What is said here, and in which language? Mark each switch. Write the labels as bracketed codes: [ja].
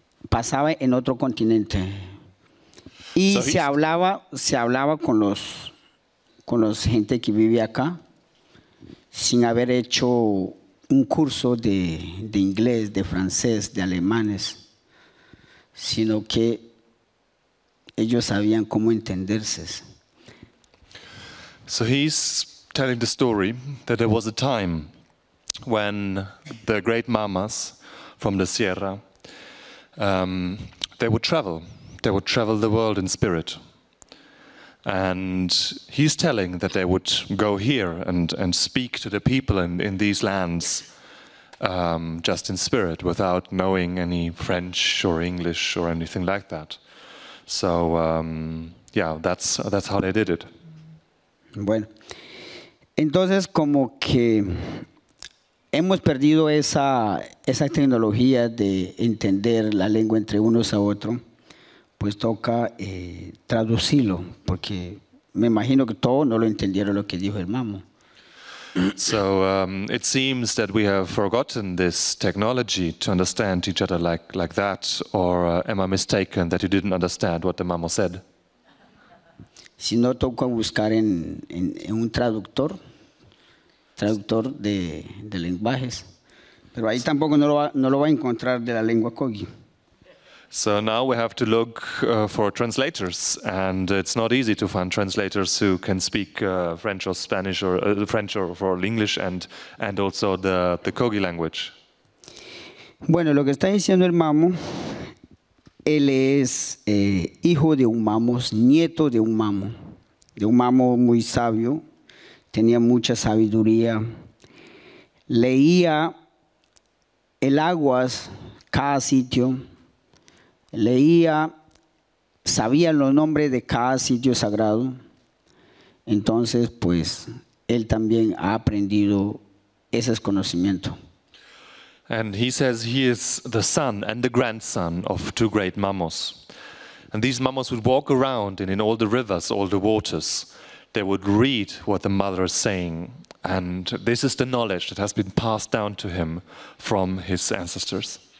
[es] Pasaba en otro continente. Y so se hablaba con los gente que vive acá, sin haber hecho un curso de inglés, de francés, de alemanes, sino que ellos sabían cómo entenderse. [en] So he's telling the story that there was a time when the great mamas from the Sierra, they would travel the world in spirit. And he's telling that they would go here and speak to the people in these lands just in spirit without knowing any French or English or anything like that. So that's how they did it. [es] Bueno, entonces como que hemos perdido esa tecnología de entender la lengua entre unos a otros, pues toca traducirlo, porque me imagino que todos no lo entendieron lo que dijo el mamo. [en] So it seems that we have forgotten this technology to understand each other like that, or am I mistaken that you didn't understand what the mamo said? [es] Si no tocó buscar en un traductor de lenguajes, pero ahí tampoco no lo va a encontrar de la lengua Kogi. [en] So now we have to look for translators, and it's not easy to find translators who can speak French or Spanish or French or English and also the Kogi language. [es] Bueno, lo que está diciendo el mamo. Él es hijo de un mamo, nieto de un mamo muy sabio, tenía mucha sabiduría, leía el aguas cada sitio, leía, sabía los nombres de cada sitio sagrado, entonces pues él también ha aprendido esos conocimientos. [en] And he says he is the son and the grandson of two great mamos. And these mamos would walk around and in all the rivers, all the waters, they would read what the mother is saying. And this is the knowledge that has been passed down to him from his ancestors.